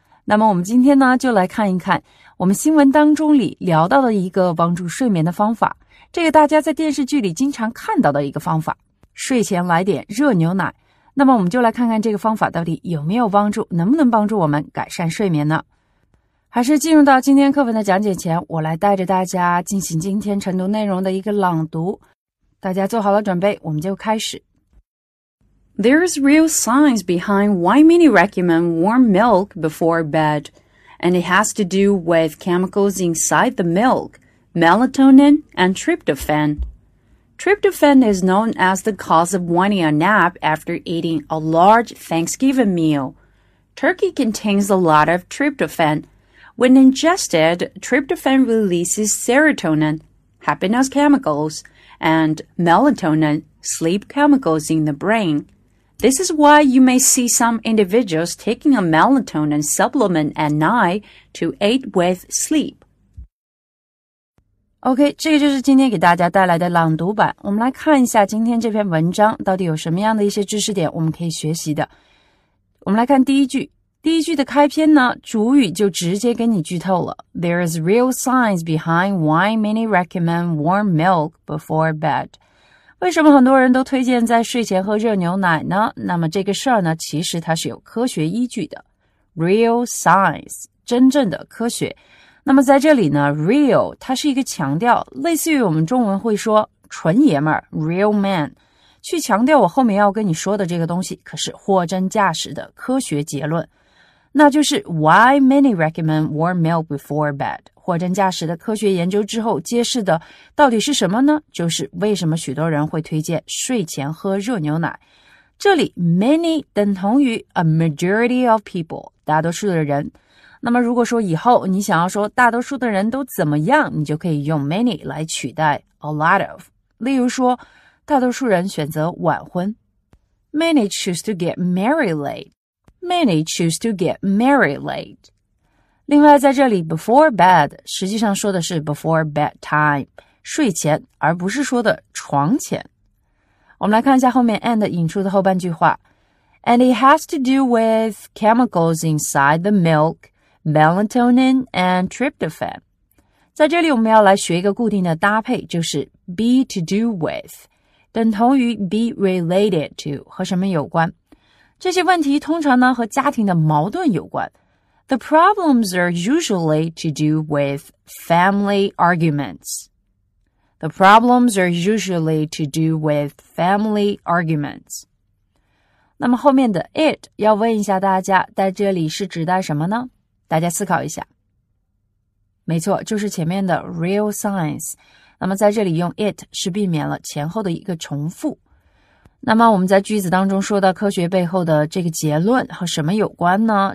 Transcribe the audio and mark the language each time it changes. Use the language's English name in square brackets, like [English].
[Chinese] 那么我们今天呢就来看一看我们新闻当中里聊到的一个帮助睡眠的方法，这个大家在电视剧里经常看到的一个方法，睡前来点热牛奶。那么我们就来看看这个方法到底有没有帮助，能不能帮助我们改善睡眠呢？还是进入到今天课文的讲解前，我来带着大家进行今天晨读内容的一个朗读。大家做好了准备，我们就开始。 [English] There's real science behind why many recommend warm milk before bed, and it has to do with chemicals inside the milk, melatonin and tryptophan. Tryptophan is known as the cause of wanting a nap after eating a large Thanksgiving meal. Turkey contains a lot of tryptophan,When ingested, tryptophan releases serotonin, happiness chemicals, and melatonin, sleep chemicals in the brain. This is why you may see some individuals taking a melatonin supplement at night to aid with sleep. [Chinese] OK, 这个就是今天给大家带来的朗读版。我们来看一下今天这篇文章到底有什么样的一些知识点我们可以学习的。我们来看第一句。第一句的开篇呢，主语就直接给你剧透了。 [English] There is real science behind why many recommend warm milk before bed. [Chinese] 为什么很多人都推荐在睡前喝热牛奶呢？那么这个事儿呢，其实它是有科学依据的。 [English] Real science, [Chinese] 真正的科学。那么在这里呢 ,real, 它是一个强调，类似于我们中文会说纯爷们儿 , [English] real man, [Chinese] 去强调我后面要跟你说的这个东西可是货真价实的科学结论。那就是 [English] why many recommend warm milk before bed, [Chinese] 货真价实的科学研究之后揭示的到底是什么呢？就是为什么许多人会推荐睡前喝热牛奶。这里 many 等同于 [English] a majority of people, [Chinese] 大多数的人。那么如果说以后你想要说大多数的人都怎么样，你就可以用 many 来取代 a lot of。例如说大多数人选择晚婚。 [English] Many choose to get married late. Many choose to get married late. [Chinese] 另外在这里 before bed 实际上说的是 before bedtime, 睡前而不是说的床前。我们来看一下后面 and 引出的后半句话。 [English] And it has to do with chemicals inside the milk, melatonin and tryptophan. [Chinese] 在这里我们要来学一个固定的搭配，就是 [English] be to do with, [Chinese] 等同于 [English] be related to, [Chinese] 和什么有关。这些问题通常呢和家庭的矛盾有关。 [English] The problems are usually to do with family arguments. The problems are usually to do with family arguments. [Chinese] 那么后面的 it 要问一下大家，在这里是指代什么呢？大家思考一下。没错，就是前面的 real signs。那么在这里用 it 是避免了前后的一个重复。那么我们在句子当中说到科学背后的这个结论和什么有关呢？